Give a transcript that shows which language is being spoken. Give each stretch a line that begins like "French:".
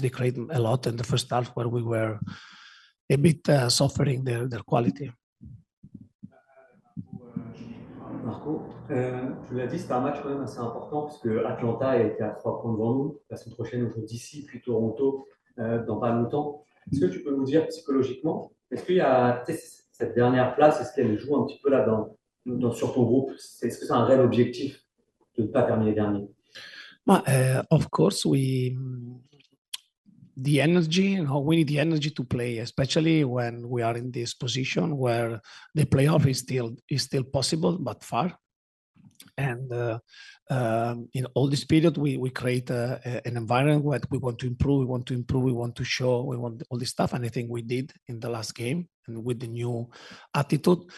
English: They created a lot in the first half where we were a bit suffering their quality.
French: Marco, tu l'as dit, c'est un match quand même assez important puisque Atlanta a été à 3 points devant nous. La semaine prochaine, on joue d'ici, puis Toronto, dans pas longtemps. Est-ce que tu peux nous dire psychologiquement, est-ce qu'il y a cette dernière place, est-ce qu'elle joue un petit peu là dans sur ton groupe? Est-ce que c'est un réel objectif de ne pas terminer dernier?
English: Of course, the energy, you know, we need the energy to play, especially when we are in this position where the playoff is still possible, but far. And in all this period, we create an environment where we want to improve, we want to show, we want all this stuff. And I think we did in the last game and with the new attitude.